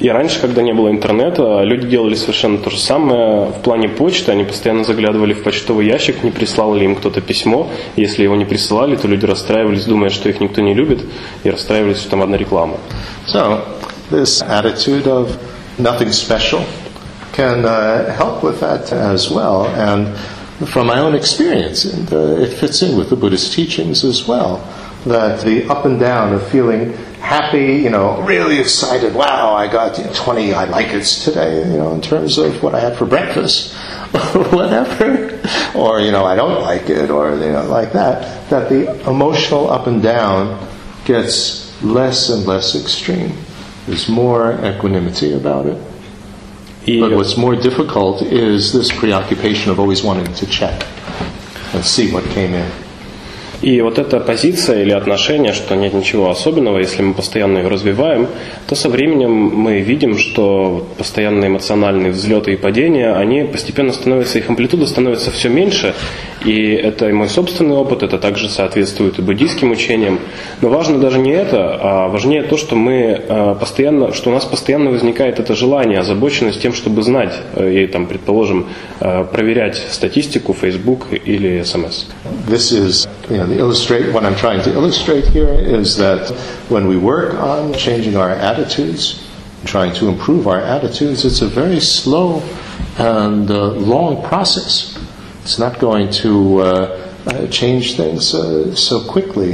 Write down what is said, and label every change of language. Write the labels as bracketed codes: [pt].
[ru] И раньше, когда не было интернета, люди делали совершенно то же самое в плане почты. Они постоянно заглядывали в почтовый ящик, не прислал ли им кто-то письмо. Если его не присылали, то люди расстраивались, думая, что их никто не любит, и расстраивались, что там одна реклама. [en] So this attitude of nothing special can help with that as well. And from my own experience, and it fits in with the Buddhist teachings as well, that the up and down of feeling happy, you know, really excited, wow, I got 20 I like it's today, you know, in terms of what I had for breakfast or whatever, or, you know, I don't like it, or, you know, like that, that the emotional up and down gets less and less extreme. There's more equanimity about it. But what's more difficult is this preoccupation of always wanting to check and see what came in. [ru] И вот эта позиция или отношение, что нет ничего особенного, если мы постоянно ее развиваем, то со временем мы видим, что постоянные эмоциональные взлеты и падения, они постепенно становятся, их амплитуда становится все меньше. И это и мой собственный опыт, это также соответствует и буддийским учениям. Но важно даже не это, а важнее то, что мы постоянно, что у нас постоянно возникает это желание, озабоченность тем, чтобы знать и, там, предположим, проверять статистику Facebook или SMS. [en] This is, you know, what I'm trying to illustrate here is that when we work on changing our attitudes, trying to improve our attitudes, it's a very slow and long process. It's not going to change things so quickly.